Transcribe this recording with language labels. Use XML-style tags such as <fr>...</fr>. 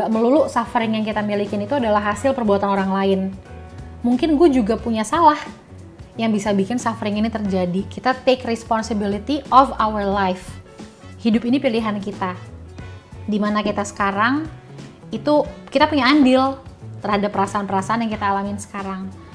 <id>Gak melulu suffering yang kita milikin itu adalah hasil perbuatan orang lain. Mungkin gue juga punya salah yang bisa bikin suffering ini terjadi. Kita</id> <en>take responsibility of our life.</en> <id>Hidup ini pilihan kita. Dimana kita sekarang, itu kita punya andil terhadap perasaan-perasaan yang kita alamin sekarang.</id>